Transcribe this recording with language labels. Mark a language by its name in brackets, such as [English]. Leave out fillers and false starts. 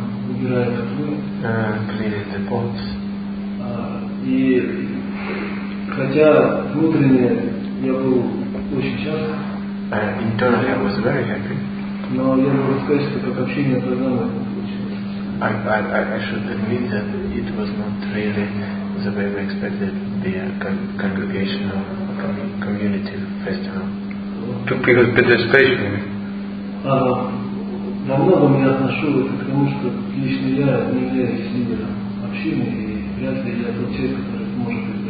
[Russian] убирая котлы, [English] cleaning the pots. [Russian] И хотя внутренне я был очень счастлив, [English] internally I was very happy, [Russian] но я могу сказать, что как общение программы [English] I should admit that it was not really the way we expected the congregational community festival to participate in. [Russian] Во многом я отношу это к тому, что лично я не являюсь лидером общины, и вряд ли я тот человек, который может